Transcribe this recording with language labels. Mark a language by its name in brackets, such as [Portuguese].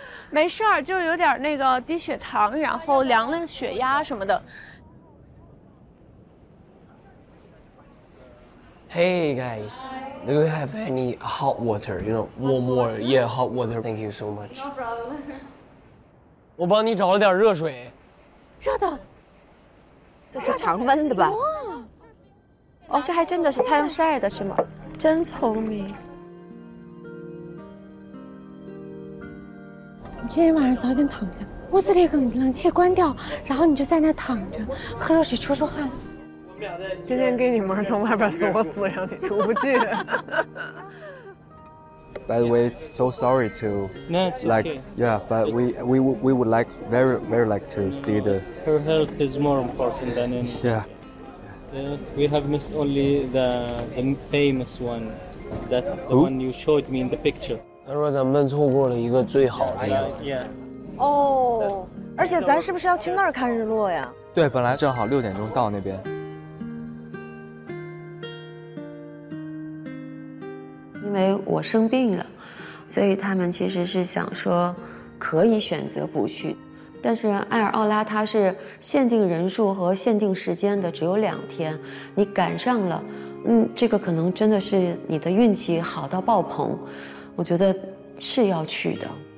[Chinese] 没事儿，就有点那个低血糖，然后量了血压什么的。 [English] Hey guys, do you have any hot water? You know, warm water. Yeah, hot water. Thank you so much. No problem. [Chinese] 我帮你找了点热水。热的？这是常温的吧？哦，这还真的是太阳晒的是吗？真聪明。你今天晚上早点躺下，屋子里冷气关掉，然后你就在那躺着，喝热水出出汗。今天给你们从外边锁死，让你出不去。 [English] By the way, so sorry to like, yeah, but we would like very very like to see the. Her health is more important than any. Yeah. We have missed only the famous one, that the one you showed me in the picture. [Chinese] 他说咱们错过了一个最好的一个。 [English] Yeah, [Chinese] 哦，而且咱是不是要去那儿看日落呀？对，本来正好六点钟到那边。因为我生病了，所以他们其实是想说可以选择不去，但是艾尔奥拉它是限定人数和限定时间的，只有两天，你赶上了，嗯，这个可能真的是你的运气好到爆棚，我觉得是要去的。